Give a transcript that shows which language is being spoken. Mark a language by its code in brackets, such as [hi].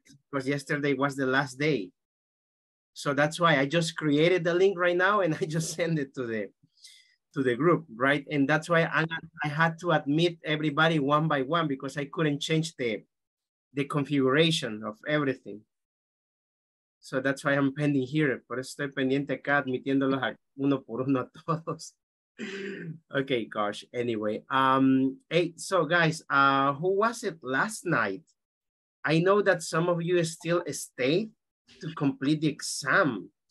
[en] Because yesterday was the last day. So that's why I just created the link right now and I just send it to the group, right? And that's why I had to admit everybody one by one because I couldn't change the configuration of everything. So that's why I'm pending here. [es] Por eso estoy pendiente acá, admitiéndolos uno por uno a todos. [en] Okay, gosh. Anyway, hey, so guys, who was it last night? I know that some of you still stayed to complete the exam.